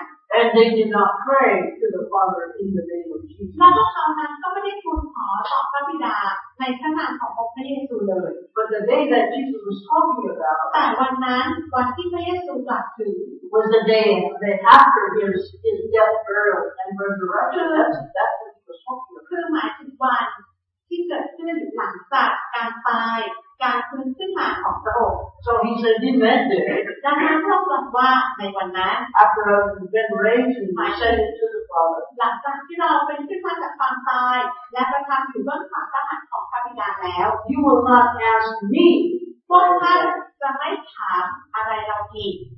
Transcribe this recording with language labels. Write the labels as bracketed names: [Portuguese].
[English] And they did not pray to the Father in the name of Jesus. But the day that Jesus was talking about was the day that after his death, burial, and resurrection. That's what he was talking about. [Thai] ที่เกิดขึ้นหลังจากการตายการฟื้นขึ้นมาของพระองค์ [English] so he said in that day [Thai] ดังนั้นพระองค์บอกว่าในวันนั้น [English] after been raised and ascended to the Father [Thai] หลังจากที่เราเป็นขึ้นมาจากความตายและประทับอยู่บนฝั่งพระหัตถ์ของพระบิดาแล้ว [English] you will not ask me [Thai] พวกท่านจะไม่ถามอะไรเราอีก